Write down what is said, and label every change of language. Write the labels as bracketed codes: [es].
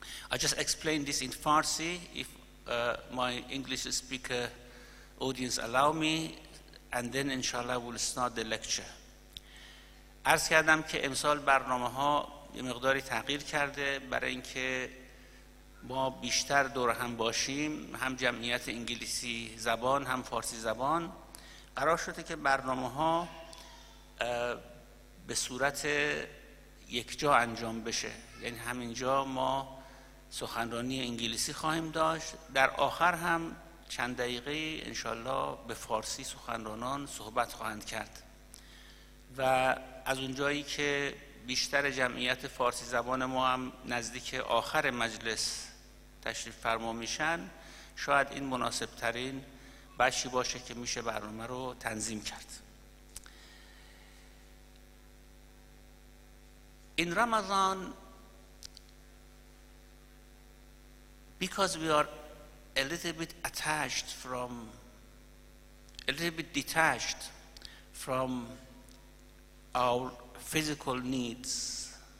[en] I just explained this in Farsi, if my English speaker audience allow me, and then inshallah we'll start the lecture. [fa] عرض کردم که امسال برنامه ها یه مقداری تغییر کرده برای اینکه ما بیشتر دور هم باشیم، هم جمعیت انگلیسی زبان هم فارسی زبان. قرار شده که برنامه ها به صورت یک جا انجام بشه، یعنی همینجا ما سخنرانی انگلیسی خواهیم داشت، در آخر هم چند دقیقه انشالله به فارسی سخنرانان صحبت خواهند کرد، و از اونجایی که بیشتر جمعیت فارسی زبان ما هم نزدیک آخر مجلس تشریف فرما میشن، شاید این مناسب ترین بخشی باشه که میشه برنامه رو تنظیم کرد. [en] In Ramadan, because we are a little bit detached from our physical needs,